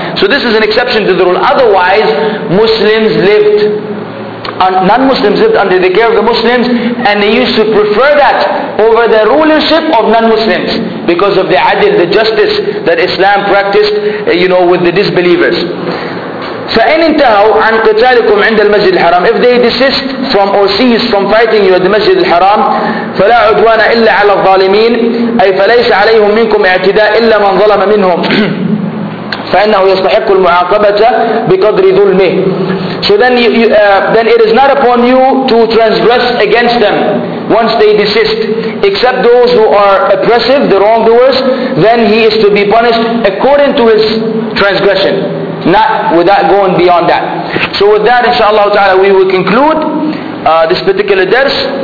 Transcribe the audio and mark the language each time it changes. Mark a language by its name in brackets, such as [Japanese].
[English] So this is an exception to the rule. Otherwise, Muslims lived. Non-Muslims lived under the care of the Muslims, and they used to prefer that over the rulership of non-Muslims because of the adil, the justice that Islam practiced, with the disbelievers. [Arabic] فَإِنْ انْتَهَوْا عَنْ قِتَالِكُمْ عِنْدَ الْمَسْجِدِ الْحَرَامِ. [English] If they desist from or cease from fighting you at the Masjid al-Haram, [Arabic] فَلَا عُدْوَانَ إِلَّا عَلَى الظَّالِمِينَ أي فَلَيْسَ عَلَيْهُمْ مِنْكُمْ اعْتِدَاءٌ إِلَّا مَنْ ظَلَمَ مِنْهُمْ فَإِنَّهُ يَسْتَحِقُّ الْمُعَاقَبَةَ بِقَدْرِ ظُلْمِهِ. [English] So then then it is not upon you to transgress against them once they desist, except those who are oppressive, the wrongdoers, then he is to be punished according to his transgression. Not without going beyond that. So with that, inshaAllah ta'ala, we will conclude this particular dars.